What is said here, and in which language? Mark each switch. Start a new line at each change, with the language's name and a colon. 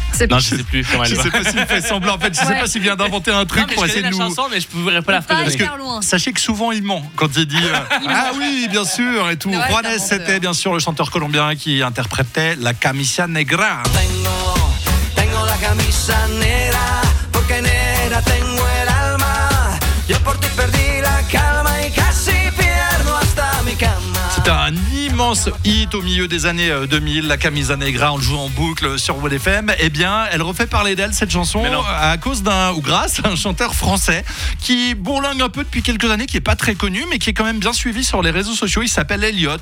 French: Non, je sais plus comment elle va. Je sais pas s'il fait semblant. En fait, je sais pas s'il vient d'inventer un truc pour essayer de nous. Je connais la chanson, mais je pourrais pas la faire. Parce que sachez que souvent il ment quand il dit ah oui, bien sûr et tout. Juanes, c'était bien sûr le chanteur colombien qui interprétait la camisa negra.
Spanish: Tengo la camisa negra porque negra tengo el alma. Yo por ti perdí la calma y casi pierdo hasta mi cama.
French: C'était un immense hit au milieu des années 2000, la camisa negra, on le joue en boucle sur Wall FM. Eh bien, elle refait parler d'elle, cette chanson, à cause d'un, ou grâce à un chanteur français qui bourlingue un peu depuis quelques années, qui n'est pas très connu, mais qui est quand même bien suivi sur les réseaux sociaux. Il s'appelle Elliot.